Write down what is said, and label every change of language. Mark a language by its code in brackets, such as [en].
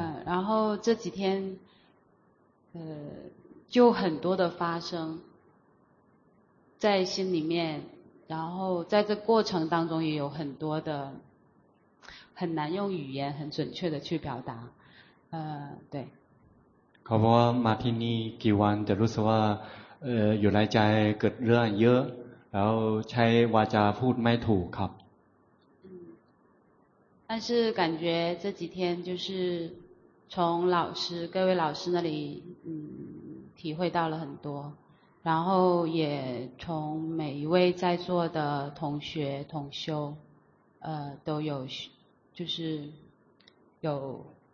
[zh] 然后这几天就很多的发生在心里面然后在这过程当中也有很多的很难用语言很准确的去表达对 [th] ขอบคุณมาที่นี่กี่วันแต่รู้สึกว่าอยู่ในใจเกิดเรื่องเยอะแล้วใช้วาจาพูดไม่ถูกครับ [zh] 但是感觉这几天就是从老师各位老师那里体会到了很多然后也从每一位在座的同学同修都有就是有